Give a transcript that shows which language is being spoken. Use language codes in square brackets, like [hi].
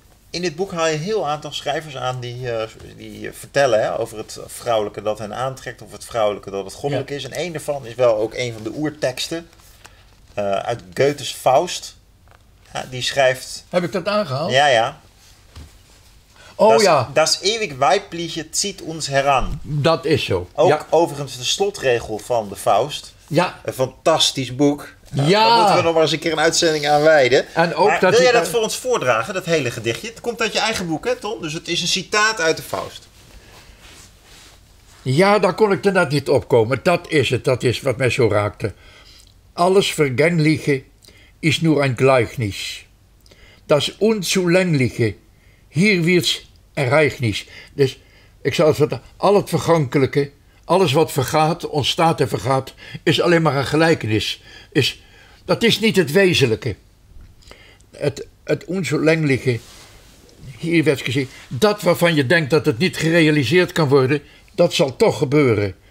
[nl] In dit boek haal je een heel aantal schrijvers aan die vertellen, hè, over het vrouwelijke dat hen aantrekt of het vrouwelijke dat het goddelijk is. En één daarvan is wel ook een van de oerteksten uit Goethe's Faust. Ja, die schrijft... Heb ik dat aangehaald? Ja, ja. Oh [de] das, [nl] ja. [de] Das ewig weibliche zieht uns heran. [nl] Dat is zo. Ook overigens de slotregel van de Faust. Ja. Een fantastisch boek. Nou, ja. Daar moeten we nog maar eens een keer een uitzending aan wijden. En ook maar, wil jij dat voor ons voordragen, dat hele gedichtje? Het komt uit je eigen boek, hè, Tom? Dus het is een citaat uit de Faust. Ja, daar kon ik er net niet op komen. Dat is het, dat is wat mij zo raakte. [de] Alles vergängliche is nur ein Gleichnis. Das unzulängliche, hier wird's Ereignis. [nl] Dus ik zal het zeggen, al het vergankelijke... Alles wat vergaat, ontstaat en vergaat, is alleen maar een gelijkenis. Dat is niet het wezenlijke. Het onzolengelijke, hier werd gezien, dat waarvan je denkt dat het niet gerealiseerd kan worden, dat zal toch gebeuren.